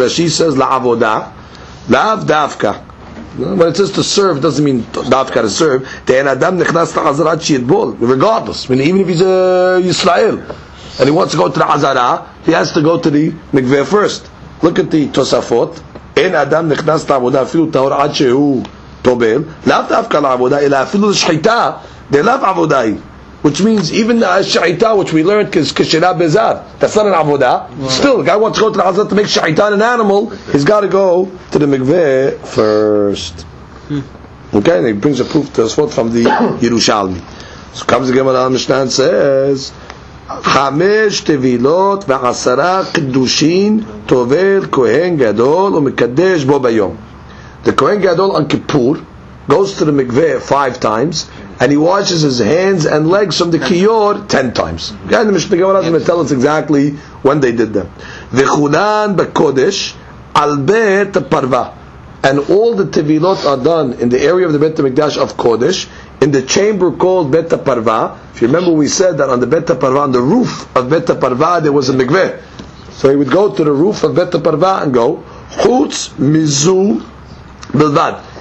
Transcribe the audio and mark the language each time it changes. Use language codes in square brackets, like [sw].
[en] Now she says, [he] la'avodah, la'av dafka. [en] When it says to serve, it doesn't mean dafka to serve. [he] Te'en adam nechnas la'azara chiyitbol. [en] Regardless, I mean, even if he's a Yisrael, and he wants to go to the azara, he has to go to the mikveh first. Look at the Tosafot. [he] אין אדם נכנס לעבודה אפילו טהור עד שהוא טובל, לאו דווקא לעבודה, אלא אפילו לשחיטה, דלאו עבודה היא. [en] Which means, even השחיטה, which we learned [he] כשאלה בזר, [en] that's not an עבודה, still, the guy wants to go to the house to make שחיטה an animal, he's got to go to the מקווה first. Okay, and he brings a proof to us from the ירושלמי. So comes the Gemara Mishnah and says, [he] חמש תבילות ועשרה קדושין תובל כהן גדול ומקדש בו ביום. [en] The Kohen Gadol on Kippur goes to the mikveh 5 times and he washes his hands and legs from the kiyor 10 times. And the Mishnah Gemara is going to tell us exactly when they did them. [he] וכולן בקודש על בית הפרווה. [en] And all the tevilot are done in the area of the Beit HaMikdash of Kodesh, in the chamber called Beit HaParva. If you remember, we said that on the Beit HaParva, on the roof of Beit HaParva, there was a mikveh. So he would go to the roof of Beit HaParva and go, [he] Chutz Mizu Bilvad.